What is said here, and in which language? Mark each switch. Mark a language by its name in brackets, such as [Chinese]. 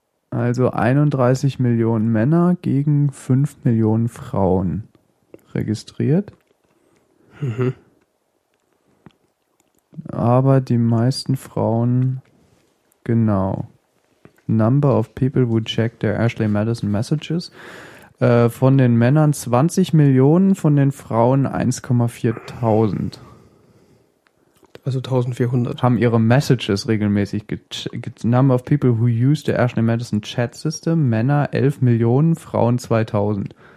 [German] Also 31 Millionen Männer gegen 5 Millionen Frauen registriert. Mhm. Aber die meisten Frauen, genau. [English] Number of people who check their Ashley Madison messages. [German] Von den Männern 20 Millionen, von den Frauen 1,4000. Also 1400. Haben ihre Messages regelmäßig [English] Number of people who use the Ashley Madison Chat System. [German] Männer 11 Millionen, Frauen 2000.